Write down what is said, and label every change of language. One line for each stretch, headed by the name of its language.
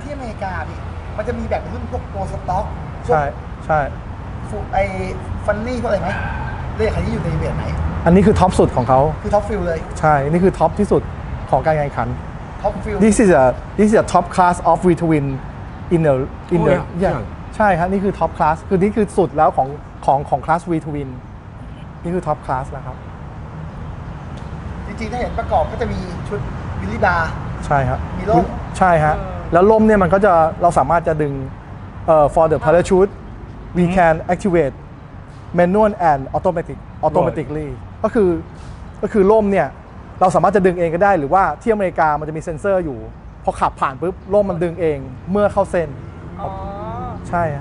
Thai: ที่อเมริกาพี่มันจะมีแบบเป็นพวกโกลสต็อก ใช่ใช่ ไอ้ฟันนี่พวกอะไรไหมเลขใครอยู่ในเบียร์ไหน อันนี้คือท็อปสุดของเขา คือท็อปฟิลเลย ใช่นี่คือท็อปที่สุดของการแข่งขัน ท็อปฟิล
English: This is a top class of V-twin in the oh, yeah. yeah.
Thai: ใช่ครับนี่คือท็อปคลาสคือนี่คือสุดแล้วของคลาส V Twin นี่คือท็อปคลาสแล้วครับ จริงๆถ้าเห็นประกอบก็จะมีชุดวิลลี่บาร์ ใช่ครับ มีร่ม ใช่ฮะแล้วร่มเนี่ยมันก็จะเราสามารถจะดึง
English: for the parachute we can activate manual and automatically
Thai: ก็คือร่มเนี่ยเราสามารถจะดึงเองก็ได้หรือว่าที่อเมริกามันจะมีเซ็นเซอร์อยู่พอขับผ่านปุ๊บร่มมันดึงเองเมื่อเข้าเส้นใช่